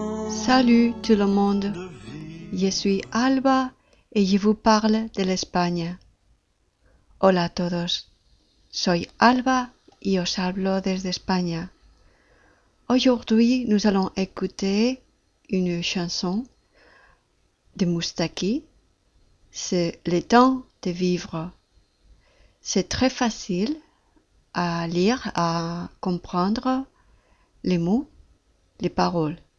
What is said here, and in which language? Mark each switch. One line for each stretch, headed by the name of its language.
French: Salut tout le monde, je suis Alba et je vous parle de l'Espagne.
Spanish: Hola a todos, soy Alba y os hablo desde España.
French: Aujourd'hui, nous allons écouter une chanson de Moustaki, c'est le temps de vivre. C'est très facile à lire, à comprendre les mots, les paroles.